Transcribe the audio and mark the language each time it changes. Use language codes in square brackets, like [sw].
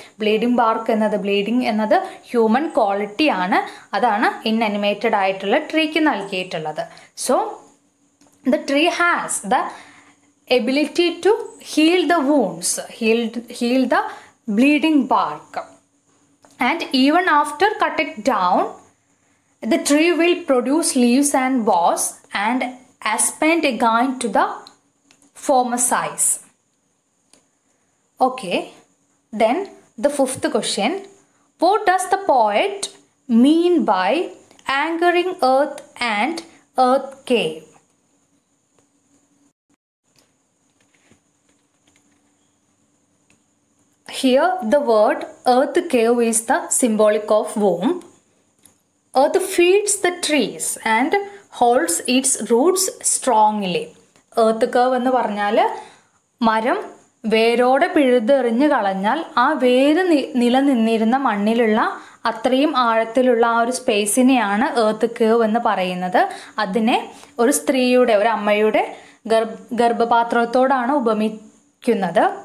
[ml] Bleeding BARC എന്നത്, bleeding എന്നത് human quality ആണ്, അതാണ് ഇൻആനിമേറ്റഡ് ആയിട്ടുള്ള ട്രീക്ക് നൽകിയിട്ടുള്ളത്. [en] So the tree has the ability to heal the wounds, heal the bleeding bark. And even after cut it down, the tree will produce leaves and boughs and expand again to the former size. Okay, then the fifth question. What does the poet mean by angering earth and earth cave? Here the word earth cave is the symbolic of womb. Earth feeds the trees and holds its roots strongly. [ml] Earth cave എന്ന് പറഞ്ഞാൽ മരം വേരോടെ പിഴുതെറിഞ്ഞു കളഞ്ഞാൽ ആ വേര് നിലനിന്നിരുന്ന മണ്ണിലുള്ള അത്രയും ആഴത്തിലുള്ള ആ ഒരു സ്പേസിനെയാണ് earth cave എന്ന് പറയുന്നത്. അതിനെ ഒരു സ്ത്രീയുടെ, ഒരു അമ്മയുടെ ഗർഭപാത്രത്തോടാണ് ഉപമിക്കുന്നത്.